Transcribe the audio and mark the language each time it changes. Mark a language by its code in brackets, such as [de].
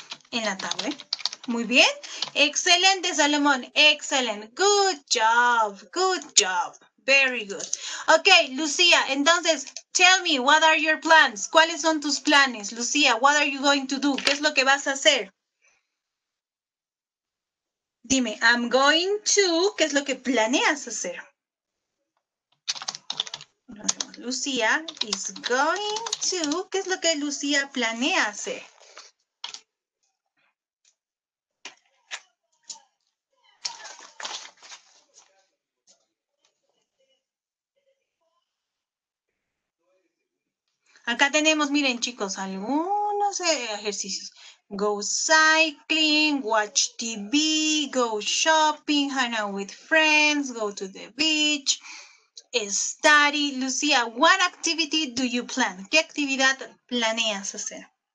[es] En la tarde. Muy bien. Excelente, Salomón. Excelente. [en] Good job. Good job. Very good. Ok, Lucía, [es] entonces, [en] tell me, what are your plans? [es] ¿Cuáles son tus planes? [en] Lucía, what are you going to do? [es] ¿Qué es lo que vas a hacer? Dime, [en] I'm going to, [es] ¿qué es lo que planeas hacer? Lucía [en] is going to, [es] ¿qué es lo que Lucía planea hacer? Acá tenemos, miren chicos, algunos ejercicios. [en] Go cycling, watch TV, go shopping, hang out with friends, go to the beach, study. Lucía, what activity do you plan? [es] ¿Qué actividad planeas hacer?